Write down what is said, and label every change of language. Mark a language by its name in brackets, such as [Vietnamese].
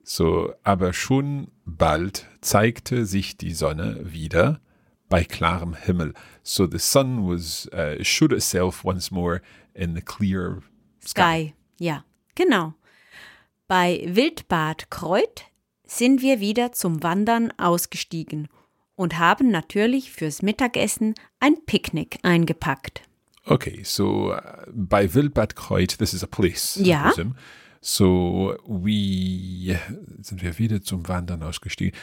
[German] So, aber schon bald zeigte sich die Sonne wieder bei klarem Himmel. [English] So the sun was showed itself once more in the clear sky. [German] Ja, genau. Bei Wildbad Kreuth sind wir wieder zum Wandern ausgestiegen und haben natürlich fürs Mittagessen ein Picknick eingepackt. [English] Okay, so bei Wildbad Kreuth, this is a place. [German] Ja. [English] So we [German] sind wir wieder zum Wandern ausgestiegen.